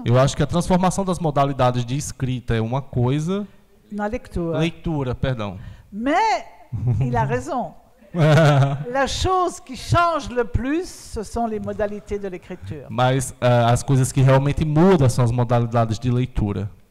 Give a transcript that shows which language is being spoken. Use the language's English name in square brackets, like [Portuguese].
[Portuguese] Eu acho que a transformação das modalidades de escrita é uma coisa. Na leitura. Leitura, perdão. [French] Mais il a raison. La chose qui change le plus, ce sont les modalités de l'écriture. [Portuguese] Mas as coisas que realmente mudam são as modalidades de leitura.